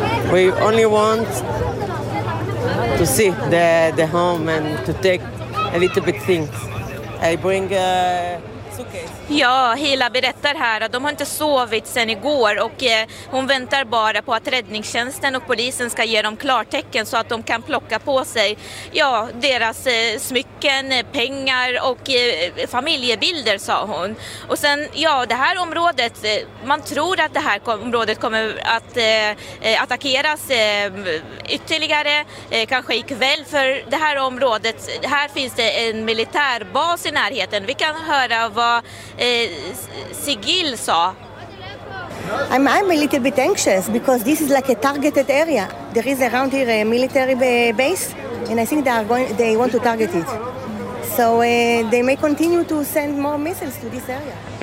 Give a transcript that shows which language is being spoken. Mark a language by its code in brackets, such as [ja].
[en] We only want to see the home and to take a little bit things. I bring [sv] Ja, Hila berättar här att de har inte sovit sedan igår och hon väntar bara på att räddningstjänsten och polisen ska ge dem klartecken så att de kan plocka på sig deras smycken, pengar och familjebilder, sa hon. Och sen, det här området, man tror att det här området kommer att attackeras ytterligare, kanske ikväll, för det här området, här finns det en militärbas i närheten. Vi kan höra vad Sigil sa. [en] I'm a little bit anxious because this is like a targeted area. There is around here a military base and I think they want to target it. So they may continue to send more missiles to this area.